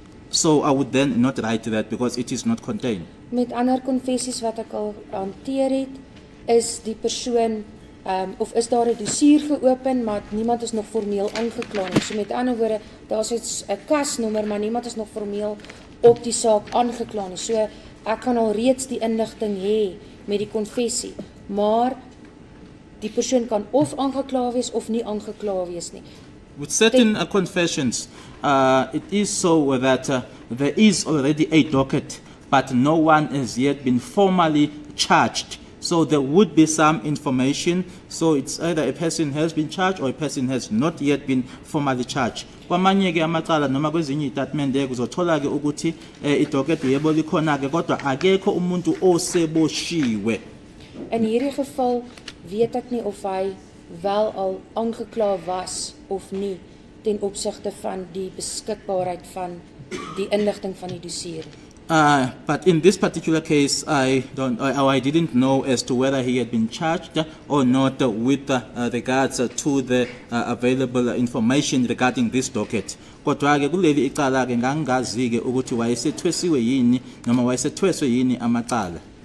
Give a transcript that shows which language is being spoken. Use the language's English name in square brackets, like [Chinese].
[English] So I would then not write that because it is not contained. [Afrikaans] Met ander konfessies wat ek al hanteer het, is die persoon of is daar 'n dossier geopen, maar niemand is nog formeel aangekla nie. So met ander woorde, daar is 'n kasnommer, maar niemand is nog formeel op die saak aangekla nie. So ek kan al reeds die inligting hê met die konfessie, maar die persoon kan of aangekla wees of nie aangekla wees nie. [English] With certain confessions, it is so that there is already a docket, but no one has yet been formally charged. So there would be some information. So it's either a person has been charged or a person has not yet been formally charged. [Zulu] Kwamanye ke amacala noma kwezinye iitatimende kuzothola ke ukuthi idocket yebo likhona ke kodwa akekho umuntu oseboshiwe. [Afrikaans] In hierdie geval weet ek nie of hy wel al aangekla was of nie ten opsigte van die beskikbaarheid van die inligting van die dossier. [English] But in this particular case, I didn't know as to whether he had been charged or not with regards to the available information regarding this docket. [Zulu] Kodwa ke kuleli icala ke ngangazi ke ukuthi wayesethwesiwe yini noma wayesethweswe yini amacala.